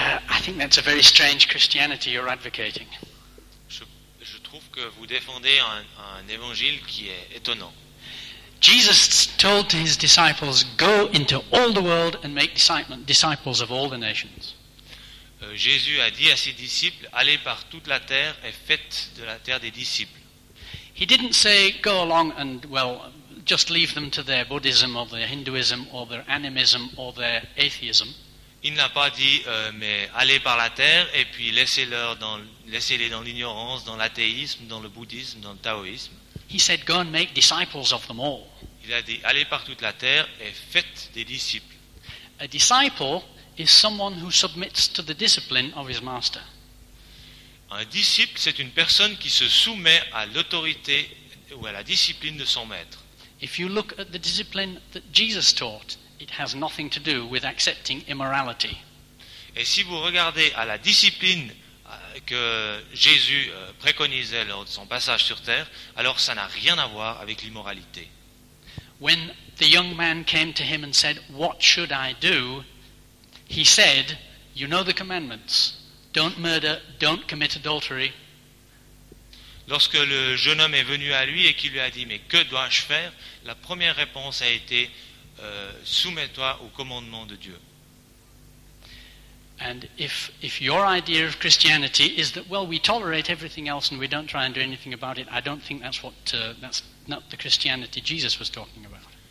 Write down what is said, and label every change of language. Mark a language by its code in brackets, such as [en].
[en] I think that's a very strange Christianity you're advocating. [fr] Je trouve que vous défendez un évangile qui est étonnant. [en] Jesus told to his disciples, "Go into all the world and make disciples of all the nations." [fr] Jésus a dit à ses disciples, "Allez par toute la terre et faites de la terre des disciples." [en] He didn't say, "Go along and well, just leave them to their Buddhism or their Hinduism or their animism or their atheism. [fr] Il n'a pas dit mais allez par la terre et puis laissez-les dans l'ignorance, dans l'athéisme, dans le bouddhisme, dans le taoïsme. [en] He said, go and make disciples of them all. [fr] Il a dit allez par toute la terre et faites des disciples. [en] A disciple is someone who submits to the discipline of his master. [fr] Un disciple, c'est une personne qui se soumet à l'autorité ou à la discipline de son maître. [en] If you look at the discipline that Jesus taught, it has nothing to do with accepting immorality. [fr] Et si vous regardez à la discipline que Jésus préconisait lors de son passage sur terre, alors ça n'a rien à voir avec l'immoralité. [en] When the young man came to him and said, "What should I do?" he said, "You know the commandments. Don't murder, don't commit adultery." [fr] Lorsque le jeune homme est venu à lui et qu'il lui a dit, "Mais que dois-je faire?" la première réponse a été, soumets-toi au commandement de Dieu. [en] And if your idea of Christianity is that, well, we tolerate everything else and we don't try and do anything about it, I don't think that's what that's not the Christianity Jesus was talking about.